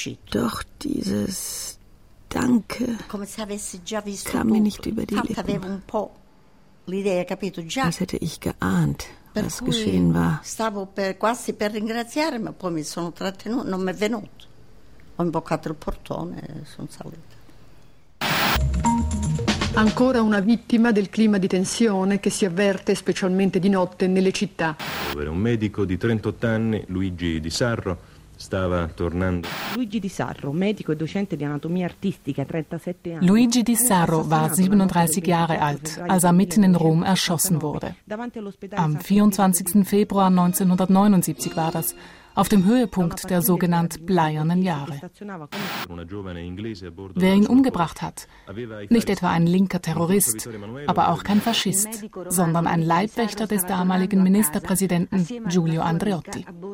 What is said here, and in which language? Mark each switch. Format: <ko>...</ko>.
<de>Doch dieses Danke kam mir nicht über die Lippen. Das hätte ich geahnt, was geschehen war.</de> <it>Stavo per quasi per ringraziare, ma poi mi sono trattenuto, non mi è venuto. Ho imboccato il portone e sono salita. Ancora una vittima del clima di tensione che si avverte specialmente di notte nelle città. Era un medico di 38 anni, Luigi Di Sarro. Stava tornando. Luigi Di Sarro, medico e docente di anatomia artistica, 37 anni.</it> <de>Luigi Di Sarro war 37 Jahre alt, als er mitten in Rom erschossen wurde. Am 24. Februar 1979 war das, auf dem Höhepunkt der sogenannten bleiernen Jahre. Wer ihn umgebracht hat? Nicht etwa ein linker Terrorist, aber auch kein Faschist, sondern ein Leibwächter des damaligen Ministerpräsidenten Giulio Andreotti.</de>